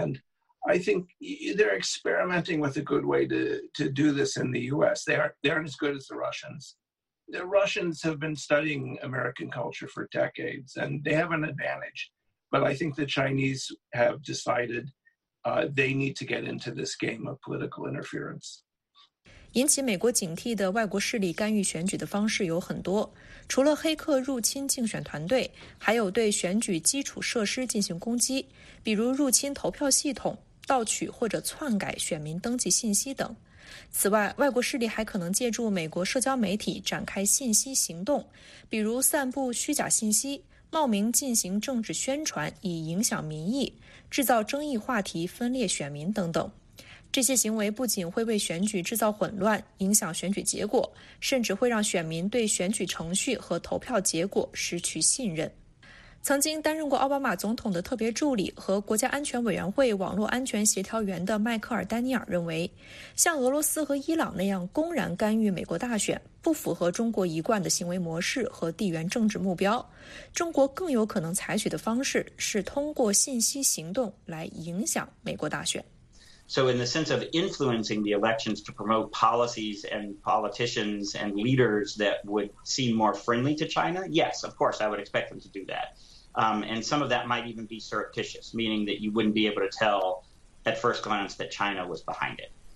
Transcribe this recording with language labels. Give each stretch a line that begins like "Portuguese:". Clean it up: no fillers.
English: AndI think they're experimenting with a good way to do this in the U.S. They aren't as good as the Russians. The Russians have been studying American culture for decades, and they have an advantage. But I think the Chinese have decided they need to get into this game of political interference.
Chinese: 引起美国警惕的外国势力干预选举的方式有很多，除了黑客入侵竞选团队，还有对选举基础设施进行攻击，比如入侵投票系统、盗取或者篡改选民登记信息等。此外，外国势力还可能借助美国社交媒体展开信息行动，比如散布虚假信息、冒名进行政治宣传以影响民意、制造争议话题、分裂选民等等。这些行为不仅会为选举制造混乱，影响选举结果，甚至会让选民对选举程序和投票结果失去信任。曾经担任过奥巴马总统的特别助理和国家安全委员会网络安全协调员的迈克尔·丹尼尔认为，像俄罗斯和伊朗那样公然干预美国大选，不符合中国一贯的行为模式和地缘政治目标。中国更有可能采取的方式是通过信息行动来影响美国大选。
English: So in the sense of influencing the elections to promote policies and politicians and leaders that would seem more friendly to China, yes, of course, I would expect them to do that. And some of that might even be surreptitious, meaning that you wouldn't be able to tell at first glance that China was behind it.